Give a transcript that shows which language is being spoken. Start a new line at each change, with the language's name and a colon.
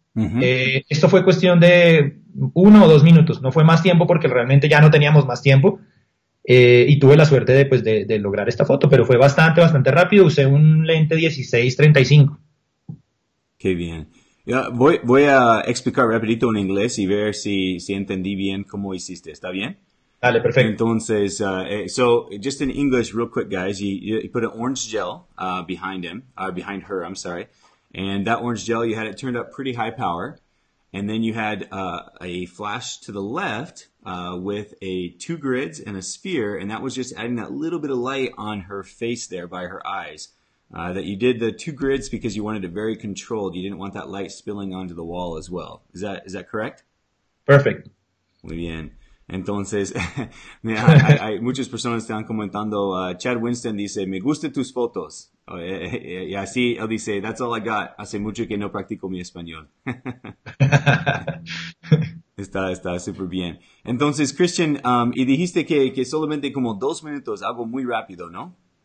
Spanish: Esto fue cuestión de 1 o 2 minutos, no fue más tiempo porque realmente ya no teníamos más tiempo, y tuve la suerte de lograr esta foto, pero fue bastante, bastante rápido. Usé un lente 16-35. Qué bien. Ya, voy a explicar rapidito en inglés y ver si entendí bien cómo hiciste. ¿Está bien? Dale, perfecto.
English: Entonces, so just in English, real quick, guys, you put an orange gel behind him, behind her, I'm sorry. And that orange gel, you had it turned up pretty high power. And then you had a flash to the left with a two grids and a sphere. And that was just adding that little bit of light on her face there by her eyes. That you did the two grids because you wanted it very controlled. You didn't want that light spilling onto the wall as well. Is that correct?
Spanish: Perfecto. Muy bien. Entonces, hay muchas personas están comentando. Chad Winston dice, me gustan tus fotos. Y así él dice,
English: that's all I got.
Spanish: Hace mucho que no practico mi español. Está súper bien. Entonces, Christian, y dijiste que solamente como 2 minutos, algo muy rápido, ¿no?